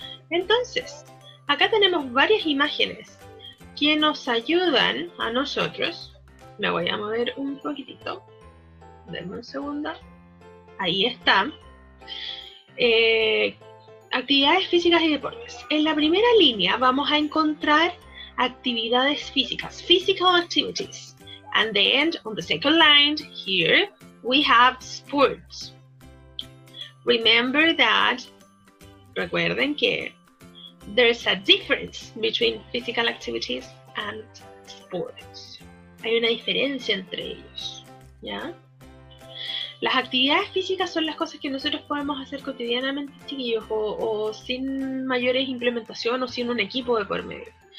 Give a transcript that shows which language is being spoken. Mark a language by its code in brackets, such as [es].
[es] Entonces, acá tenemos varias imágenes que nos ayudan a nosotros. Me voy a mover un poquitito. Denme un segundo. Ahí está. Actividades físicas y deportes. En la primera línea vamos a encontrar actividades físicas, [en] physical activities. And then, on the second line, here, we have sports. Remember that, [es] recuerden que, [en] there's a difference between physical activities and sports. [es] Hay una diferencia entre ellos, ¿ya? Las actividades físicas son las cosas que nosotros podemos hacer cotidianamente, chiquillos, o sin mayores implementaciones, o sin un equipo de por medio.